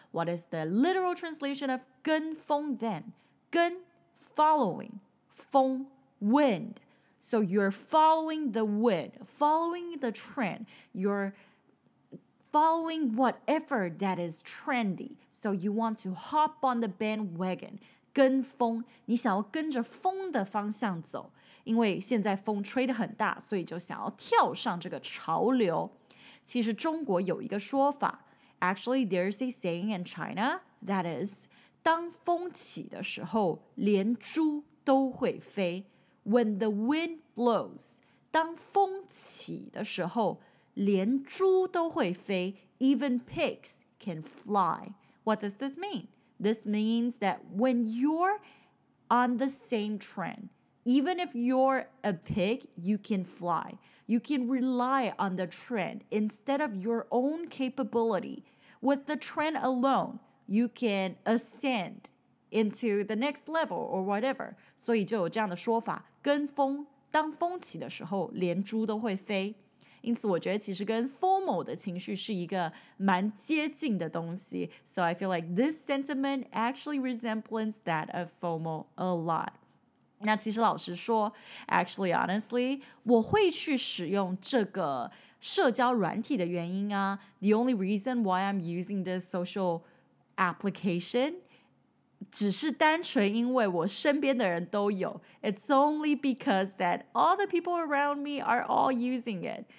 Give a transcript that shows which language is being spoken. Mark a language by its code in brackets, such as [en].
[en] What is the literal translation of 跟风 then? 跟, following, 风, wind. So you're following the wind, following the trend, you're following whatever that is trendy. So you want to hop on the bandwagon. [zh] 跟风, 你想要跟着风的方向走, 因为现在风吹得很大, 所以就想要跳上这个潮流。其实中国有一个说法, [en] actually there's a saying in China, that is, [zh] 当风起的时候, 连猪都会飞。 [en] When the wind blows, [zh] 当风起的时候, 连猪都会飞, [en] even pigs can fly. What does this mean? This means that when you're on the same trend, even if you're a pig, you can fly. You can rely on the trend instead of your own capability. With the trend alone, you can ascend into the next level or whatever. [zh] 所以就有这样的说法, 跟风, 当风起的时候, 连猪都会飞。因此我觉得其实跟 FOMO的情绪是一个蛮接近的东西。 [en] So I feel like this sentiment actually resembles that of FOMO a lot. [zh] 那其实老实说, [en] actually honestly, [zh] 我会去使用这个社交软体的原因啊, [en] the only reason why I'm using this social application [zh] 只是单纯因为我身边的人都有, [en] it's only because that all the people around me are all using it.